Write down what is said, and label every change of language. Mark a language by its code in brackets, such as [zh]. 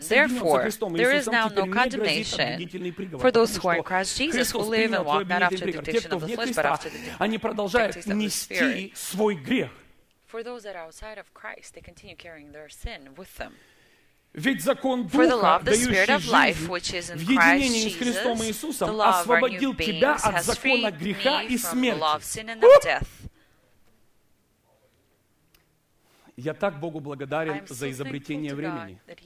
[en] Therefore, there is now no condemnation for those who are in Christ Jesus, who live and walk not after the dictation of the flesh, but after the [ru] Они продолжают нести свой грех. [en] For those that are outside of Christ, they continue carrying their sin with them. [ru] Ведь закон Духа, [en] the law of the Spirit of life, which is in Christ Jesus, the law of our new beings, has freed me from the law of sin and death. [ru] Я так Богу благодарен за изобретение времени.